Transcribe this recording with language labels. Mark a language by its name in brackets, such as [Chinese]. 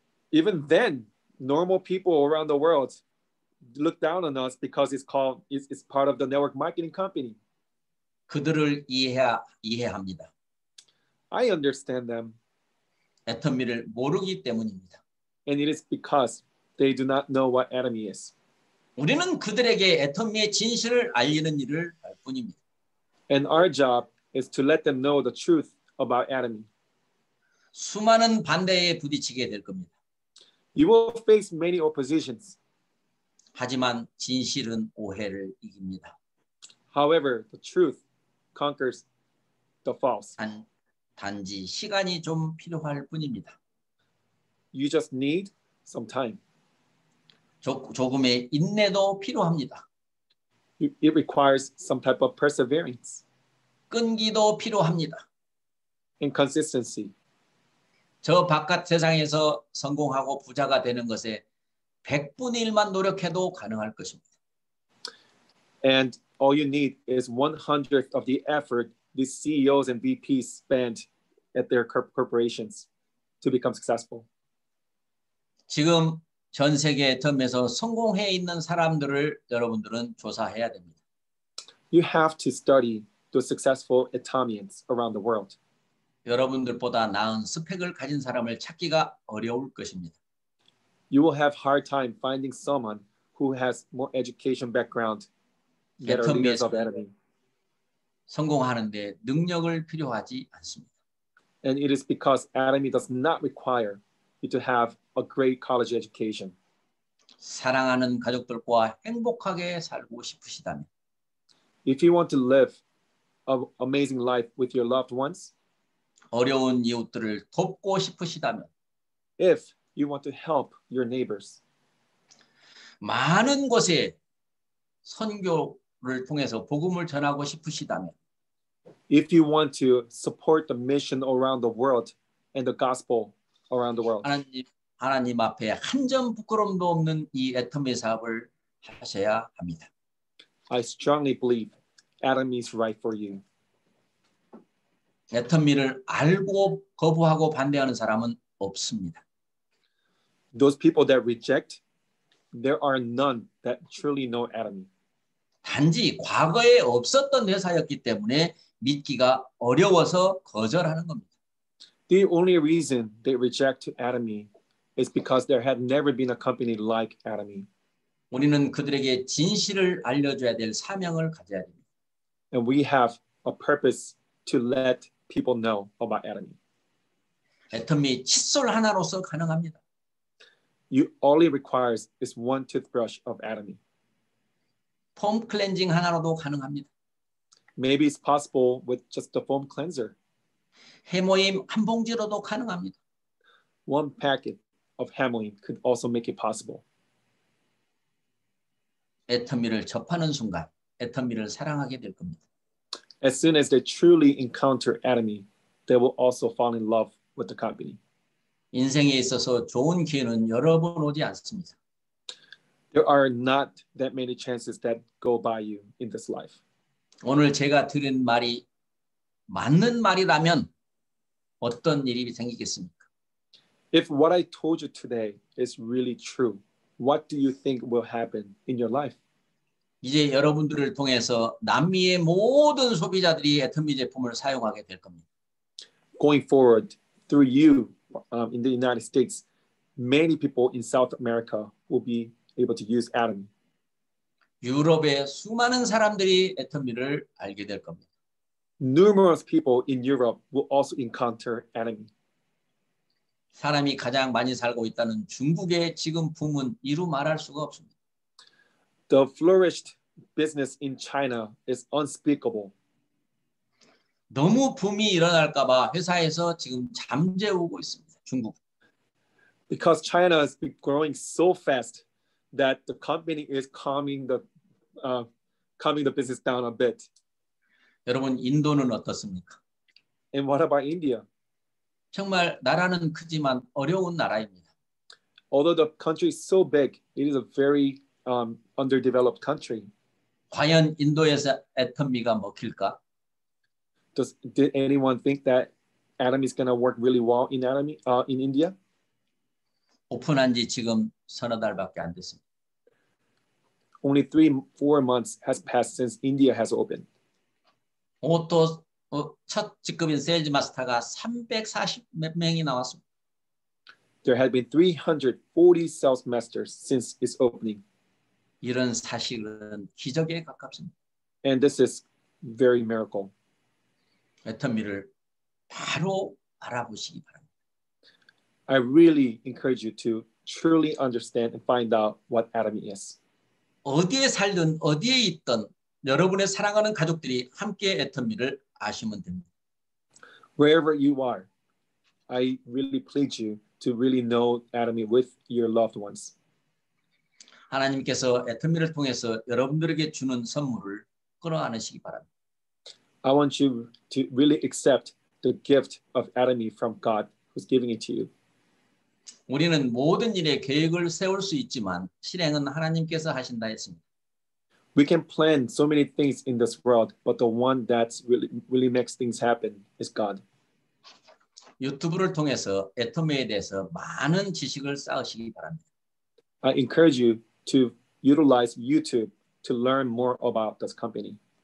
[English] Even then, normal people around the world look down on us because it's part of the network marketing company. [Korean] 그들을 이해합니다. [English] I understand them. [Korean] 애터미를 모르기 때문입니다. [English] And it is because they do not know what Atomy is. [Korean] 우리는 그들에게 애터미의 진실을 알리는 일을 할 뿐입니다. [English] And our job is to let them know the truth about Atomy. [Korean] 수많은 반대에 부딪히게 될 겁니다. [English] You will face many oppositions. [Korean] 하지만 진실은 오해를 이깁니다. [English] However, the truth conquers the false. [Korean] 단지 시간이 좀 필요할 뿐입니다. [English] You just need some time. [Korean] 조금의 인내도 필요합니다. [English] It requires some type of perseverance. [Korean] 끈기도 필요합니다. [English] And consistency. [Korean] 저 바깥 세상에서 성공하고 부자가 되는 것에 100분의 1만 노력해도 가능할 것입니다. [English] And all you need is 100th of the effort these CEOs and VPs spend at their corporations to become successful. [Korean] 지금 전 세계 텀에서 성공해 있는 사람들을 여러분들은 조사해야 됩니다. [English] You have to study the successful Atomians around the world. [Korean] 여러분들보다 나은 스펙을 가진 사람을 찾기가 어려울 것입니다. [English] You will have hard time finding someone who has more education background that are leaders of Atomy. [Korean] 성공하는데 능력을 필요하지 않습니다. [English] And it is because Atomy does not require you to have a great college education. [Korean] 사랑하는 가족들과 행복하게 살고 싶으시다면, [English] if you want to live an amazing life with your loved ones, [Korean] 어려운 이웃들을 돕고 싶으시다면, [English] if you want to help your neighbors, [Korean] 많은 곳에 선교를 통해서 복음을 전하고 싶으시다면, [English] if you want to support the mission around the world and the gospel around the world, [Korean] 하나님 앞에 한 점 부끄럼도 없는 이 애터미 사업을 하셔야 합니다. [English] I strongly believe Atomy is right for you. [Korean] 애터미를 알고 거부하고 반대하는 사람은 없습니다. [English] Those people that reject, there are none that truly know Atomy. [Korean] 단지 과거에 없었던 회사였기 때문에 믿기가 어려워서 거절하는 겁니다. [English] The only reason they reject Atomy is because there had never been a company like Atomy. [Korean] 우리는 그들에게 진실을 알려줘야 될 사명을 가져야 됩니다. [English] And we have a purpose to let people know about Atomy. [Korean] 애터미 칫솔 하나로서 가능합니다. [English] You all it requires is one toothbrush of Atomy. [Korean] 폼 클렌징 하나로도 가능합니다. [English] Maybe it's possible with just a foam cleanser. [Korean] 해모임 한 봉지로도 가능합니다. [English] One packet of Hamelin could also make it possible. [Korean] 애터미를 접하는 순간 애터미를 사랑하게 될 겁니다. [English] As soon as they truly encounter Atomy, they will also fall in love with the company. [Korean] 인생에 있어서 좋은 기회는 여러 번 오지 않습니다. [English] There are not that many chances that go by you in this life. [Korean] 오늘 제가 드린 말이 맞는 말이라면 어떤 일이 생기겠습니까? [English] If what I told you today is really true, what do you think will happen in your life? [Korean] 이제 여러분들을 통해서 남미의 모든 소비자들이 애터미 제품을 사용하게 될 겁니다. [English] Going forward, through you in the United States, many people in South America will be able to use Atomy. [Korean] 유럽의 수많은 사람들이 애터미를 알게 될 겁니다. [English] Numerous people in Europe will also encounter Atomy. [Korean] 사람이 가장 많이 살고 있다는 중국의 지금 붐은 이루 말할 수가 없습니다. [English] The flourished business in China is unspeakable. [Korean] 너무 붐이 일어날까 봐 회사에서 지금 잠재우고 있습니다. 중국. [English] Because China is growing so fast that the company is calming the business down a bit. [Korean] 여러분, 인도는 어떻습니까? [English] And what about India? [Korean] 정말 나라는 크지만 어려운 나라입니다. [English] Although the country is so big, it is a very underdeveloped country. [Korean] 과연 인도에서 애터미가 먹힐까? [English] did anyone think that Atom is going to work really well in Atom in India? [Korean] 오픈한 지 지금 서너 달밖에 안 됐습니다. [English] Only 3-4 months has passed since India has opened. [Korean] 또 첫 직급인 세일즈 마스터가 340몇 명이 나왔습니다. [English] There have been 340 sales masters since its opening. [Korean] 이런 사실은 기적에 가깝습니다. [English] And this is very miracle. [Korean] 애터미를 바로 알아보시기 바랍니다. [English] I really encourage you to truly understand and find out what Atomy is. [Korean] 어디에 살든 어디에 있든 여러분의 사랑하는 가족들이 함께 애터미를 아시면 됩니다. [English] Wherever you are, I really plead you to really know Atomy with your loved ones. [Korean] 하나님께서 애터미를 통해서 여러분들에게 주는 선물을 끌어안으시기 바랍니다. [English] I want you to really accept the gift of Atomy from God who's giving it to you. [Korean] 우리는 모든 일에 계획을 세울 수 있지만 실행은 하나님께서 하신다 했습니다. [English] We can plan so many things in this world, but the one that really makes things happen is God. [Korean] 유튜브를 통해서 애터미에 대해서 많은 지식을 쌓으시기 바랍니다. [English] I encourage you to utilize YouTube to learn more about this company.